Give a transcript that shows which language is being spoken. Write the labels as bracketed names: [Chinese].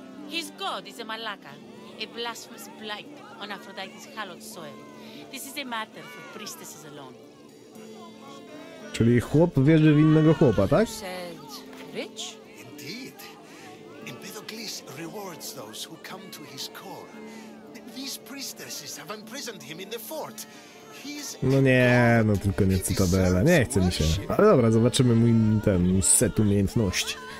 [English] His god is a Malaka, a blasphemous blight. on Aphrodite's hallowed soil. This is a matter for priestesses alone. [Polish] Czyli chłop wierzy w innego chłopa, tak? [English] Rich? Indeed. Empedocles rewards those who come to his call. These priestesses have imprisoned him in the fort. [Polish] No nie, no tylko nie Cytadela, nie chce mi się. Ale dobra, zobaczymy mój ten set umiejętności.